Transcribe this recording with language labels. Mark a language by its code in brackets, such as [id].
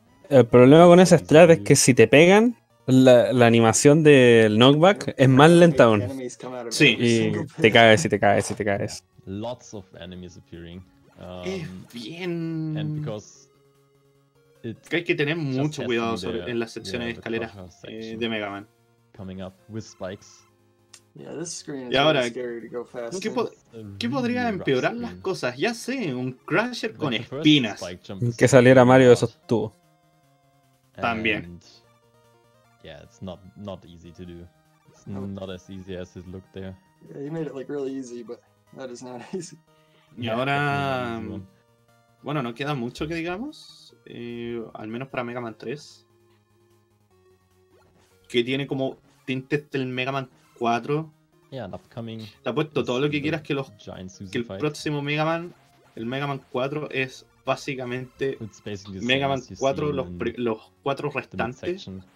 [es] El problema con esa strat es que si te pegan, la animación del knockback es más lenta aún. Sí. Y te caes y te caes y te caes. [en] Lots of enemies appearing. [es] Bien. [en] And because [es] hay que tener mucho cuidado en las secciones de escalera de Mega Man. [en] Coming up with spikes. Yeah, this screen is [es] ahora, [en] really scary to go fast. ¿Qué podría really empeorar las cosas? Ya sé, un crusher con espinas. [es] Que saliera Mario de esos tubos. También. [en] Yeah, it's not easy to do. It's not as easy as it looked there. Yeah, you made it look really easy, but that is not easy. [es] Y ahora, bueno, no queda mucho que digamos, al menos para Mega Man 3. Que tiene como tintes del Mega Man 4. [en] Yeah, an upcoming. [es] Te apuesto todo lo que quieras que el próximo Mega Man, el Mega Man 4, es básicamente Mega Man 4, los cuatro restantes.